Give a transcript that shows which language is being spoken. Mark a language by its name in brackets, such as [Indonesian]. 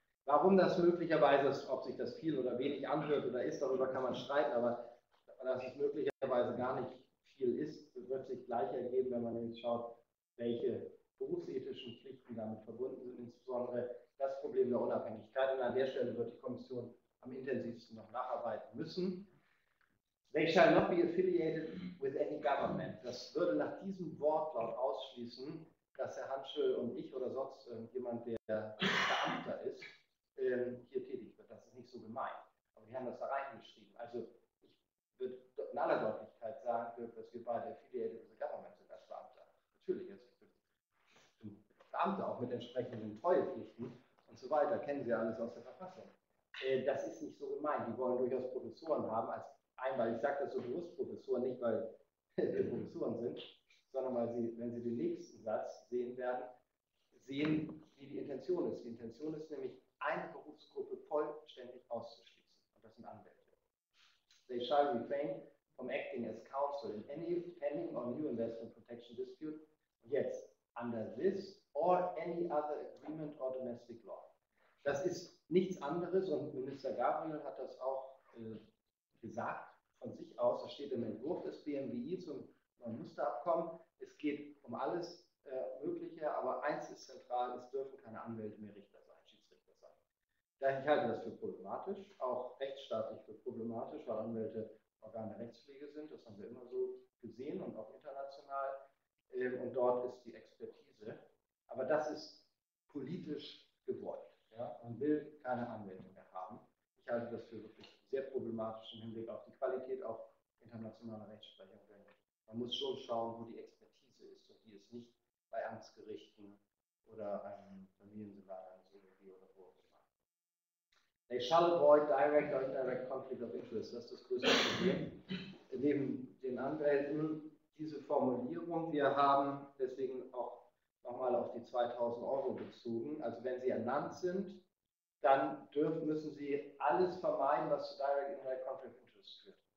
[German] Warum das möglicherweise, ob sich das viel oder wenig anhört oder ist, darüber kann man streiten, aber dass es möglicherweise gar nicht viel ist, wird sich gleich ergeben, wenn man jetzt schaut, welche berufsethischen Pflichten damit verbunden sind, insbesondere das Problem der Unabhängigkeit. Und an der Stelle wird die Kommission am intensivsten noch nacharbeiten müssen. [English] They shall not be affiliated with any government. [German] Das würde nach diesem Wortlaut ausschließen, dass Herr Hanschel und ich oder sonst jemand, der Beamter ist, hier tätig wird. Das ist nicht so gemeint. Aber wir haben das da reingeschrieben. Also ich würde in aller Deutlichkeit sagen, dass wir beide [English] affiliated with the government [German] sind als Beamter. Natürlich, jetzt Beamte auch mit entsprechenden Treuepflichten und so weiter, kennen Sie alles aus der Verfassung. Das ist nicht so gemeint. Die wollen durchaus Professoren haben, als einmal, ich sage das so bewusst, Professoren, nicht weil wir Professoren sind, sondern weil Sie, wenn Sie den nächsten Satz sehen werden, sehen, wie die Intention ist. Die Intention ist nämlich, eine Berufsgruppe vollständig auszuschließen. Und das sind Anwälte. [English] They shall refrain from acting as counsel in any pending or new investment protection dispute. [German] Und jetzt, [English] under this or any other agreement or domestic law. [German] Das ist nichts anderes und Minister Gabriel hat das auch gesagt von sich aus. Das steht im Entwurf des BMWI zum neuen Musterabkommen. Es geht um alles Mögliche, aber eins ist zentral, es dürfen keine Anwälte mehr Richter sein, Schiedsrichter sein. Ich halte das für problematisch, auch rechtsstaatlich für problematisch, weil Anwälte Organe der Rechtspflege sind. Das haben wir immer so gesehen und auch international. Und dort ist die Expertise. Aber das ist politisch gewollt. Ja? Man will keine Anwälte mehr haben. Ich halte das für wirklich sehr problematisch im Hinblick auf die Qualität auch internationaler Rechtsprechung. Denn man muss schon schauen, wo die Expertise ist. Und die ist nicht bei Amtsgerichten oder einem Familiensenat, einem CDB oder wo auch immer. [English] They shall avoid direct or indirect conflict of interest. [German] Das ist das größte Problem. Neben den Anwälten diese Formulierung. Wir haben deswegen auch nochmal auf die 2000 Euro bezogen. Also wenn Sie ernannt sind, dann müssen Sie alles vermeiden, was zu [English] Direct Indirect Conflict Interest [German] führt.